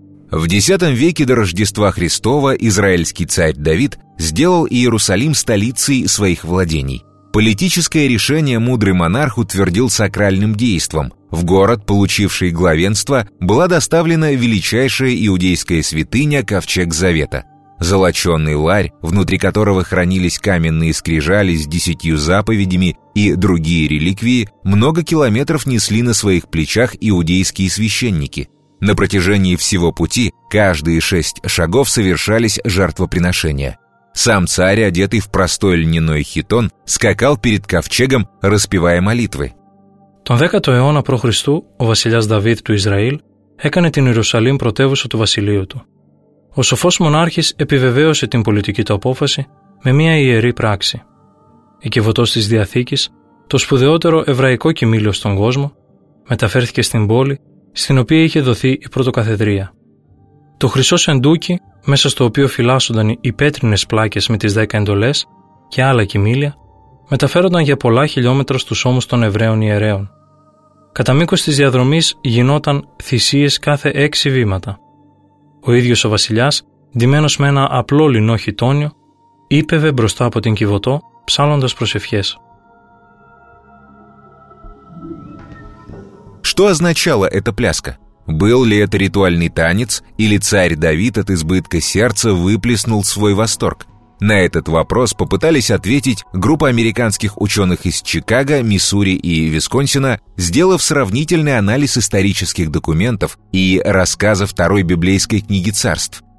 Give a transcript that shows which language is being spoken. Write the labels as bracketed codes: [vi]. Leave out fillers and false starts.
[ru] В X веке до Рождества Христова израильский царь Давид сделал Иерусалим столицей своих владений. Политическое решение мудрый монарх утвердил сакральным действом. В город, получивший главенство, была доставлена величайшая иудейская святыня Ковчег Завета. Золоченый ларь, внутри которого хранились каменные скрижали с 10 заповедями и другие реликвии, много километров несли на своих плечах иудейские священники. На протяжении всего пути каждые 6 шагов совершались жертвоприношения. Сам царь, одетый в простой льняной хитон, скакал перед ковчегом, распевая молитвы. [el] Τον 10ο αιώνα π.Χ. ο βασιλιάς Δαβίδ του Ισραήλ έκανε την Ιερουσαλήμ πρωτεύουσα του βασιλείου του. Ο σοφός μονάρχης επιβεβαίωσε την πολιτική του απόφαση με μια ιερή πράξη. Η Κιβωτός της Διαθήκης, το σπουδαιότερο εβραϊκό κοιμήλιο στον κόσμο, μεταφέρθηκε στην πόλη στην οποία είχε δοθεί η πρωτοκαθεδρία. Το χρυσό σεντούκι, μέσα στο οποίο φυλάσσονταν οι πέτρινες πλάκες με τις 10 εντολές και άλλα κοιμήλια, μεταφέρονταν για πολλά χιλιόμετρα στους ώμους των Εβραίων ιερέων. Κατά μήκος της διαδρομής γινόταν θυσίες κάθε 6 βήματα. Ο ίδιος ο βασιλιάς, ντυμένος με ένα απλό λινό χιτόνιο, ύπευε μπροστά από την Κιβωτό, ψάλλοντας προσευχές. [ru] Что означала эта пляска? Был ли это ритуальный танец, или царь Давид от избытка сердца выплеснул свой восторг? На этот вопрос попытались ответить группа американских ученых из Чикаго, Миссури и Висконсина, сделав сравнительный анализ исторических документов и рассказа второй библейской книги царств.